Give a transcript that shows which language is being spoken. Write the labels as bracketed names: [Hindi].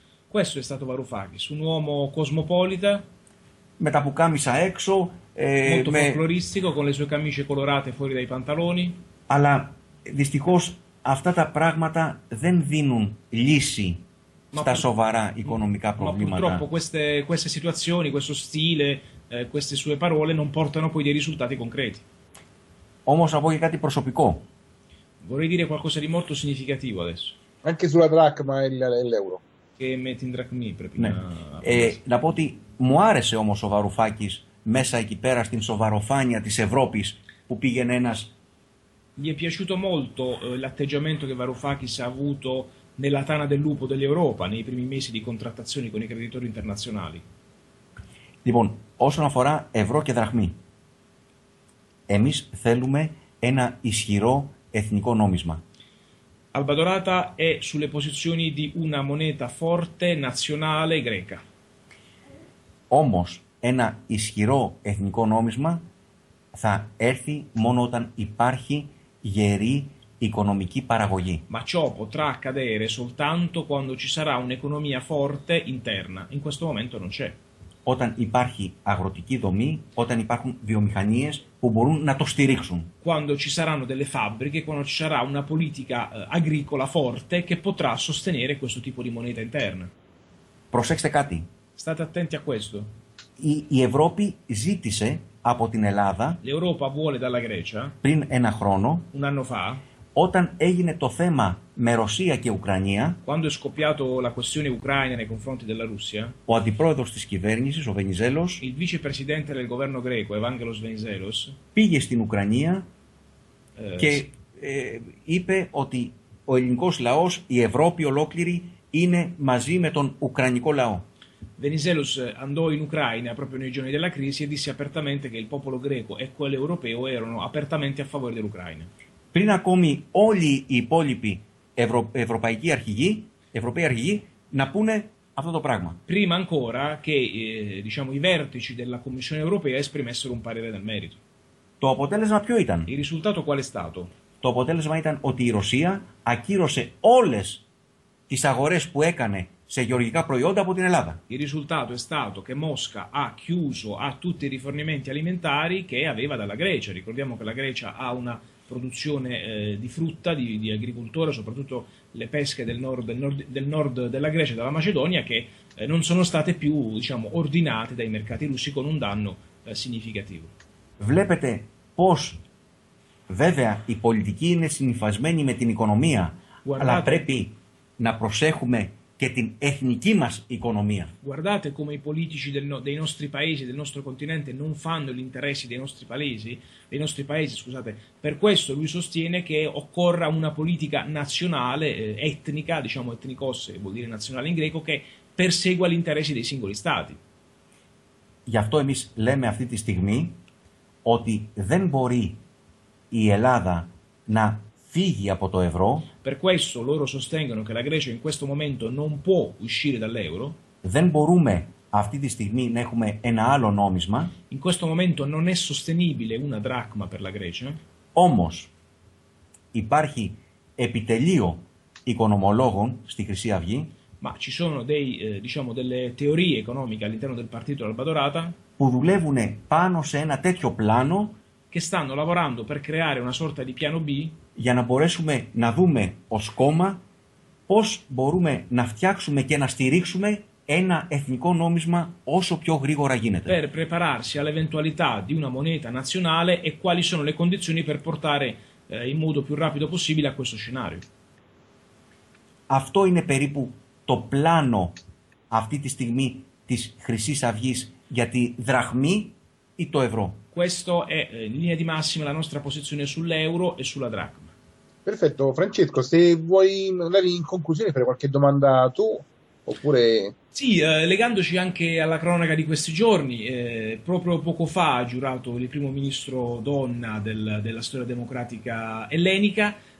[Italian] Questo è stato Varoufakis, un uomo cosmopolita. [Greek] Με τα πουκάμισα έξω. [Italian] Molto folcloristico, con le sue camicie colorate fuori dai pantaloni. [Greek] Αλλά δυστυχώς αυτά τα πράγματα δεν δίνουν λύση στα σοβαρά οικονομικά προβλήματα. [Italian] Ma purtroppo queste situazioni, questo stile, queste sue parole non portano poi dei risultati concreti. [Greek] Όμως θα πω και κάτι προσωπικό. [Italian] Vorrei dire qualcosa di molto significativo adesso. Anche sulla dracma e l'euro. Che metti in dracmi, proprio. [Greek] Ναι. Να πω ότι μου άρεσε όμως ο Βαρουφάκης μέσα εκεί πέρα στην σοβαροφάνεια της Ευρώπης που πήγαινε ένας. [Italian] Gli è piaciuto molto l'atteggiamento che Varoufakis ha avuto nella tana del lupo dell'Europa nei primi mesi di contrattazioni con i creditori internazionali. [Greek] Λοιπόν, όσον αφορά ευρώ και δραχμή, εμείς θέλουμε ένα ισχυρό εθνικό νόμισμα. [Italian] Alba Dorata è sulle posizioni di una moneta forte nazionale greca. [Greek] Όμως, ένα ισχυρό εθνικό νόμισμα θα έρθει μόνο όταν υπάρχει γερή οικονομική παραγωγή. [Italian] Ma ciò potrà accadere soltanto quando ci sarà un'economia forte interna. In questo momento non c'è. [Greek] Όταν υπάρχει αγροτική δομή, όταν υπάρχουν βιομηχανίες που μπορούν να το στηρίξουν. [Italian] Quando ci saranno delle fabbriche, quando ci sarà una politica agricola forte che potrà sostenere questo tipo di moneta interna. [Greek] Προσέξτε κάτι. [Italian] State attenti a questo. [Greek] Η Ευρώπη ζήτησε από την Ελλάδα [Italian] l'Europa vuole dalla Grecia, [Greek] πριν ένα χρόνο, [Italian] un anno fa, [Greek] όταν έγινε το θέμα με Ρωσία και Ουκρανία, [Italian] quando è scoppiato la questione Ucraina nei confronti della Russia, [Greek] ο αντιπρόεδρος της κυβέρνησης, ο Βενιζέλος, [Italian] il vice presidente del governo greco, Evangelos Venizelos, [Greek] πήγε στην Ουκρανία και είπε ότι ο ελληνικός λαός, η Ευρώπη ολόκληρη, είναι μαζί με τον ουκρανικό λαό. [Italian] Venizelos andò in Ucraina proprio nei giorni della crisi e disse apertamente che il popolo greco e quello europeo erano apertamente a favore dell'Ucraina. [Greek] Πριν ακόμη όλοι οι υπόλοιποι ευρωπαϊκοί αρχηγοί, ευρωπαίοι αρχηγοί, να πούνε αυτό το πράγμα. [Italian] Prima ancora che diciamo i vertici della Commissione Europea esprimessero un parere nel merito. [Greek] Το αποτέλεσμα ποιο ήταν? [Italian] Il risultato qual è stato? [Greek] Το αποτέλεσμα ήταν ότι η Ρωσία ακύρωσε όλες τις αγορές που έκανε σε γεωργικά προϊόντα από την Ελλάδα. [Italian] Il risultato è stato che Mosca ha chiuso a tutti i rifornimenti alimentari che aveva dalla Grecia. Ricordiamo che la Grecia ha una produzione di frutta, di agricoltura, soprattutto le pesche del nord della Grecia, dalla Macedonia, che non sono state più, diciamo, ordinate dai mercati russi con un danno significativo. [Greek] Βλέπετε πως βέβαια η πολιτική είναι συνυφασμένη με την οικονομία, αλλά πρέπει να προσέχουμε και την εθνική μας οικονομία. [Italian] Guardate come i politici dei nostri paesi, del nostro continente, non fanno gli interessi dei nostri paesi. Per questo lui sostiene che occorra una politica nazionale, etnica, diciamo etnikos, vuol dire nazionale in greco, che persegua gli interessi dei singoli stati. [Greek] Γι' αυτό εμείς λέμε αυτή τη στιγμή ότι δεν μπορεί η Ελλάδα να φύγει από το ευρώ. [Italian] Per questo loro sostengono che la Grecia in questo momento non può uscire dall'euro. [Greek] Δεν μπορούμε αυτή τη στιγμή να έχουμε ένα άλλο νόμισμα. [Italian] In questo momento non è sostenibile una dracma per la Grecia. [Greek] Όμως υπάρχει επιτελείο οικονομολόγων στη Χρυσή Αυγή. [Italian] Ma ci sono dei, diciamo, delle teorie economiche all'interno del partito Alba Dorata. [Greek] Που δουλεύουν πάνω σε ένα τέτοιο πλάνο. [Italian] Che stanno lavorando per creare una sorta di piano B. [Greek] Για να μπορέσουμε να δούμε ως κόμμα πώς μπορούμε να φτιάξουμε και να στηρίξουμε ένα εθνικό νόμισμα όσο πιο γρήγορα γίνεται. [Italian] Per prepararsi all'eventualità di una moneta nazionale e quali sono le condizioni per portare in modo più rapido possibile a questo scenario. [Greek] Αυτό είναι περίπου το πλάνο αυτή τη στιγμή της Χρυσής Αυγής για τη δραχμή ή το ευρώ. [Italian] Questo è in linea di massima la nostra posizione sull'euro e sulla dracma. Perfetto, Francesco, se vuoi magari in conclusione fare qualche domanda tu, oppure... Sì, legandoci anche alla cronaca di questi giorni, proprio poco fa ha giurato il primo ministro donna della storia democratica ellenica.